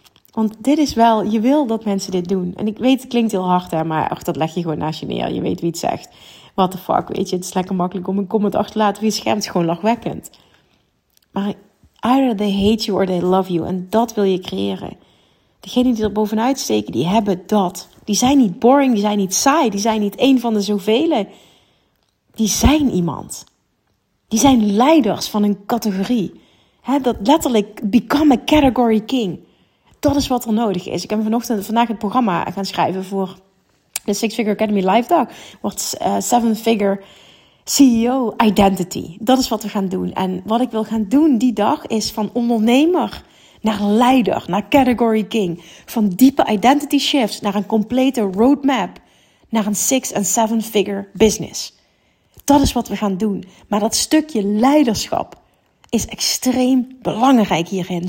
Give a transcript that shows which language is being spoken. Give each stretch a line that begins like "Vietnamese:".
Dutch: Want dit is wel, je wil dat mensen dit doen. En ik weet, het klinkt heel hard, hè, maar dat leg je gewoon naast je neer. Je weet wie het zegt.
English: What the fuck,
Dutch: weet je. Het is lekker makkelijk om een comment achter te laten. Wie schermt, gewoon lachwekkend.
English: Maar either they hate you or they love you.
Dutch: En dat wil je creëren. Degenen die er bovenuit steken, die hebben dat. Die zijn niet boring, die zijn niet saai. Die zijn niet één van de zoveel. Die zijn iemand. Die zijn leiders van een categorie. He, dat letterlijk,
English: become a category king.
Dutch: Dat is wat er nodig is. Ik heb vandaag het programma gaan schrijven voor de Six Figure Academy Live Dag. Wordt Seven Figure CEO Identity. Dat is wat we gaan doen. En wat ik wil gaan doen die dag is van ondernemer naar leider, naar category king. Van diepe identity shifts naar een complete roadmap. Naar een six en seven figure business. Dat is wat we gaan doen. Maar dat stukje leiderschap is extreem belangrijk hierin.